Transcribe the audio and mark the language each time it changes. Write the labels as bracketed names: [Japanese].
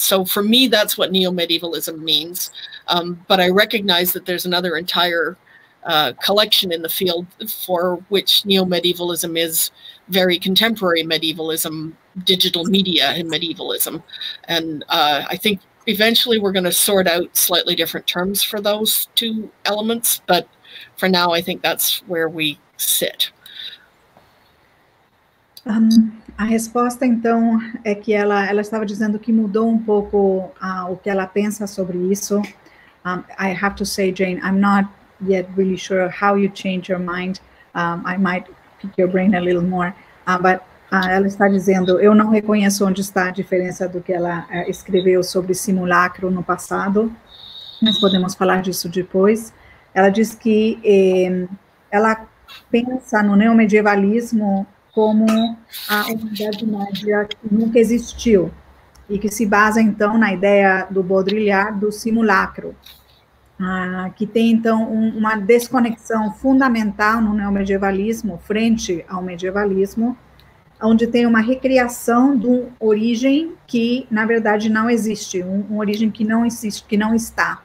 [English] So for me, that's what neo-medievalism means. But I recognize that there's another entire collection in the field for which neo-medievalism is very contemporary medievalism, digital media and medievalism. And I think eventually we're going to sort out slightly different terms for those two elements. But for now, I think that's where we sit. [Portuguese] A resposta, então, é que ela estava dizendo que mudou um pouco o que ela pensa sobre isso. [English] I have to say, Jane, I'm not yet really sure how you change your mind. I might pick your brain a little more. [Portuguese] Ela está dizendo, eu não reconheço onde está a diferença do que ela escreveu sobre simulacro no passado, mas podemos falar disso depois. Ela diz que ela pensa no neomedievalismo como a Idade Média que nunca existiu e que se baseia, então, na ideia do Baudrillard do simulacro, que tem, então, uma desconexão fundamental no neomedievalismo frente ao medievalismo, onde tem uma recriação de uma origem que, na verdade, não existe, uma origem que não existe, que não está.